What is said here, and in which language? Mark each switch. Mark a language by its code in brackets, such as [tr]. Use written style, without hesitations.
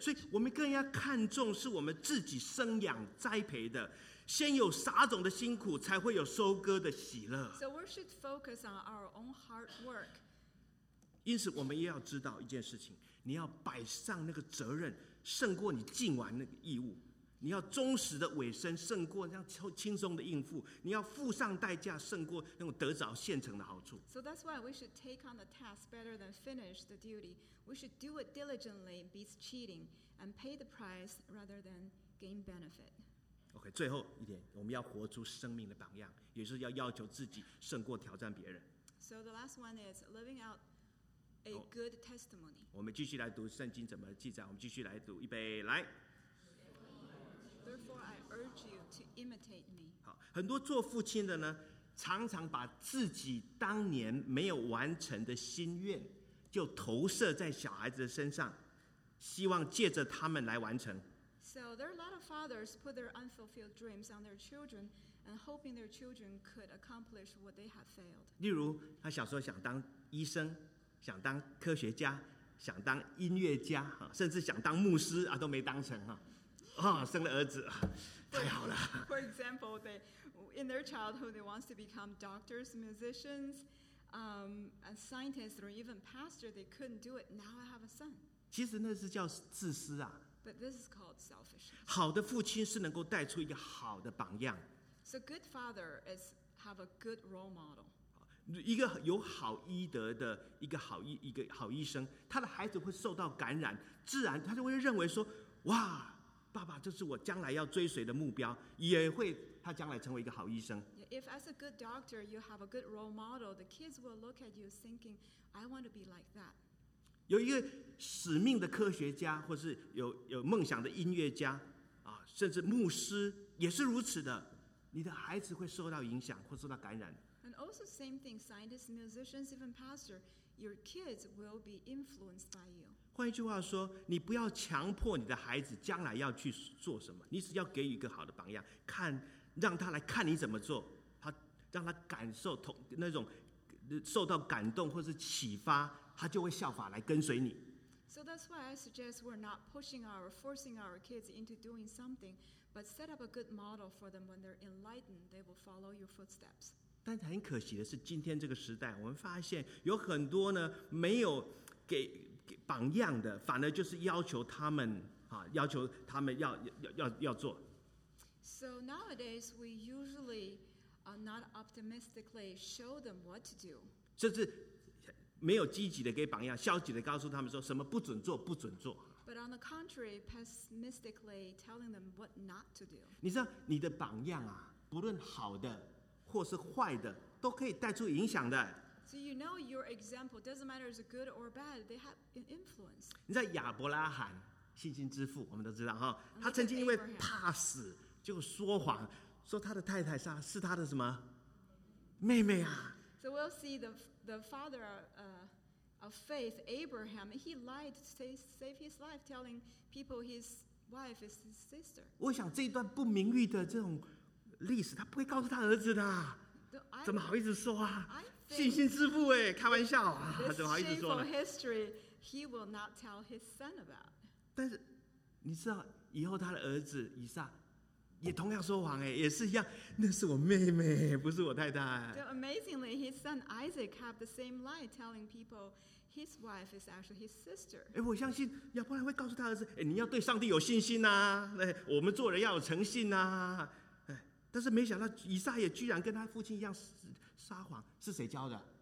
[zh] 所以我们更要看重是我们自己生养栽培的，先有撒种的辛苦，才会有收割的喜乐。 [en] So we should focus on our own hard work. [zh] 因此，我们也要知道一件事情：你要摆上那个责任，胜过你尽完那个义务；你要忠实的委身，胜过那样轻松的应付；你要付上代价，胜过那种得着现成的好处。 [en] So that's why we should take on the task better than finish the duty. We should do it diligently, beats cheating, and pay the price rather than gain benefit. [zh] Okay, 最后一点，我们要活出生命的榜样，也就是要要求自己胜过挑战别人。 [en] So the last one is living out a good testimony. [zh] 我们继续来读圣经怎么记载，我们继续来读，预备，来。 [en] Therefore, I urge you to imitate me. [zh] 好，很多做父亲的呢，常常把自己当年没有完成的心愿。就投射在小孩子的身上，希望借着他们来完成。 [en] So there are a lot of fathers put their unfulfilled dreams on their children and hoping their children could accomplish what they have failed. [zh] 例如，他小时候想当医生，想当科学家，想当音乐家，甚至想当牧师啊，都没当成啊，生了儿子，太好了。 [en] For example, they in their childhood they want to become doctors, musicians.A scientist or even pastor, they couldn't do it. Now I have a son. [zh] 其实那是叫自私啊。 [en] But this is called selfishness. [zh] 好的父亲是能够带出一个好的榜样。 [en] So good father is have a good role model. [zh] 一个有好医德的一个好医一个好医生，他的孩子会受到感染，自然他就会认为说，哇，爸爸，这是我将来要追随的目标，也会他将来成为一个好医生。 [en] If as a good doctor you have a good role model, the kids will look at you thinking, I want to be like that. [zh] 有一个使命的科学家，或是 有梦想的音乐家，啊，甚至牧师也是如此的。你的孩子会受到影响，或受到感染。 [en] And also same thing, scientists, musicians, even pastor, your kids will be influenced by you. [zh] 换一句话说，你不要强迫你的孩子将来要去做什么，你只要给予一个好的榜样，看让他来看你怎么做，他让他感受同那种受到感动或是启发。他就会效法来跟随你。 [en] So that's why I suggest we're not pushing our, forcing our kids into doing something, but set up a good model for them. When they're enlightened, they will follow your footsteps. [zh] 但很可惜的是，今天这个时代，我们发现有很多呢没有 给榜样的，反而就是要求他们啊，要求他们要做。 [en] So nowadays we usually are not optimistically show them what to do. [zh] 甚至没有积极的给榜样，消极的告诉他们说什么不准做，不准做。 [en] But on the contrary, pessimistically telling them what not to do. [zh] 你知道你的榜样啊，不论好的或是坏的，都可以带出影响的。 [en] So you know your example doesn't matter is good or bad, they have an influence. [zh] 你知道亚伯拉罕信心之父，我们都知道哈，他曾经因为怕死就说谎，说他的太太是他的什么妹妹啊。 [en] So we'll see the father of faith, Abraham, he lied to save his life, telling people his wife is his sister. [zh] 我想这一段不名誉的这种历史，他不会告诉他儿子的，怎么好意思说啊？信心之父哎，开玩笑啊，怎么好意思说呢？ [en] This shameful history, he will not tell his son about. [zh] 但是你知道，以后他的儿子以撒。也同样说谎，也是一样，那是我妹妹，不是我太太。 [en] So amazingly, his son Isaac have the same lie, telling people his wife is actually his sister. [zh] 我相信亚伯拉罕会告诉他儿子，你要对上帝有信心啊，我们做人要有诚信啊。但是没想到以撒也居然跟他父亲一样撒谎，是谁教的？